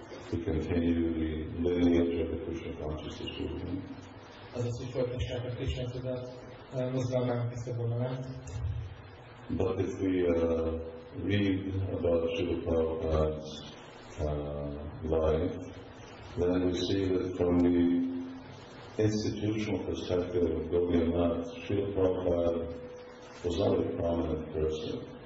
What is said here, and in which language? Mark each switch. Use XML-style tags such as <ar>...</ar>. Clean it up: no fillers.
<en>To continue the lineage of the Krishna consciousness movement.</en> <hu>Azaz, hogy folytassák a Krishna tudat mozgalmának ezt a vonalát.</hu> <en>But if we read about Srila Prabhupada's life, then we see that from the institutional perspective of Gaudiya-math, Srila Prabhupada was not a prominent person.</en>